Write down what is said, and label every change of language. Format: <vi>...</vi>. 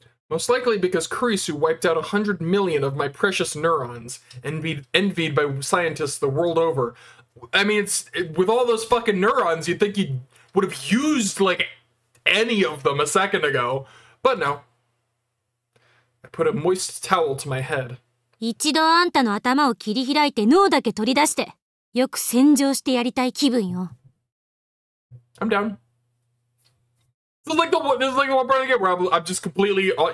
<en>Most likely because Kurisu wiped out 100 million of my precious neurons, envied by scientists the world over. I mean, with all those fucking neurons, you'd think you would have used, like, any of them a second ago. But no. I put a moist towel to my head.</en> <ja>一度あんたの頭を切り開いて脳だけ取り出して、よく洗浄してやりたい気分よ。</ja> <en>I'm down. This is like the one part I get where I'm just completely,</en>